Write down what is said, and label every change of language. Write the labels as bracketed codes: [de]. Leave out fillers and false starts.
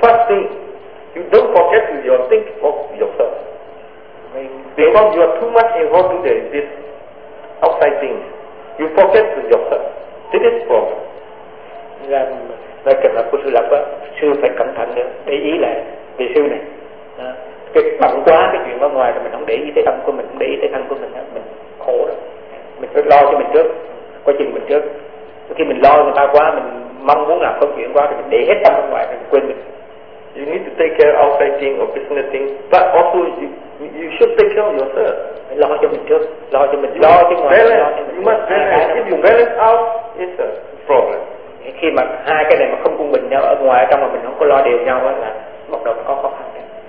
[en] First thing, you don't forget to your think of yourself. Because you are too much involved in this outside thing. You forget to yourself. This is wrong. [vi] Là cần là cô sư lập á, sư phải cẩn thận nữa, để ý lại vị sư này. Cái bận quá cái chuyện ở ngoài rồi mình không để ý tới tâm của mình, không để ý tới thân của mình, mình khổ đó. Mình phải lo cho mình trước, quá trình mình trước. Khi mình lo người ta quá, mình mong muốn làm công chuyện quá thì mình để hết tâm ở ngoài mình quên mình. [en] You need to take care of outside things or business things, but also you should take care of yourself. [vi] Lo cho mình trước, lo cho mình, lo cho ngoài, lo cho mình. [en] You must balance. If you balance out, it's a problem. [vi] Khi mà hai cái này mà không cùng mình nhau ở ngoài, ở trong mà mình không có lo đều nhau là bắt đầu có khó khăn.